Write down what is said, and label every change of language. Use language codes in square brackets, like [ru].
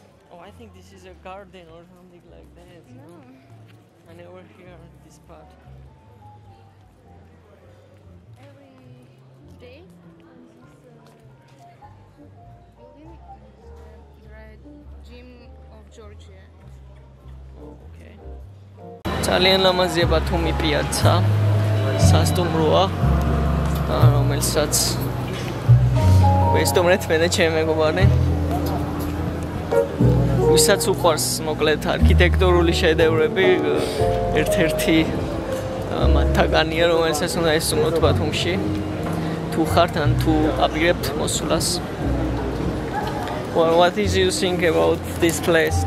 [en] Oh, I think this is a garden or something like that. No. I never hear this part. Every day, on this building, there is the gym of Georgia. Oh, okay. [ka] ძალიან ლამაზია ბათუმი პიაცა, სასტუმროა, რომელსაც ესტომრეთ მე და ჩემი მეგობარი. ვისაც უყვარს მოკლედ არქიტექტურული შედევრები, ერთ-ერთი მათგანია, რომელსაც უნდა ესტუმროთ ბათუმში. Თუ ხართ ან თუ აპირებთ მოსვლას. [en] What do you think about this place?